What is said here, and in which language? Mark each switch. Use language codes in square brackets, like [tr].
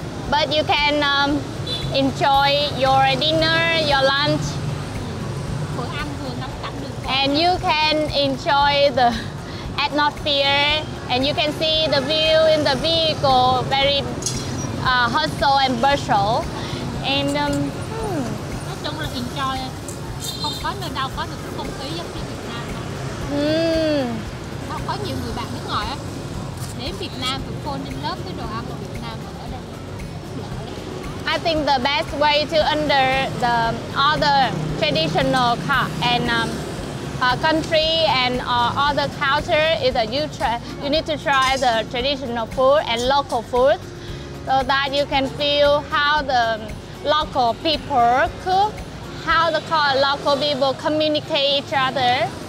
[en] But you can enjoy your dinner, your lunch. And you can enjoy the atmosphere and you can see the view in the vehicle, very hustle and bustle. And [vi] nói chung là enjoy, không có nơi đâu có được cái không khí giống như Việt Nam. Có nhiều người bạn nước ngoài đến Việt Nam cũng phô lên lớp cái đồ ăn của Việt Nam. [en] I think the best way to under the other traditional and country and other culture is that you need to try the traditional food and local food so that you can feel how the local people cook, how the local people communicate each other.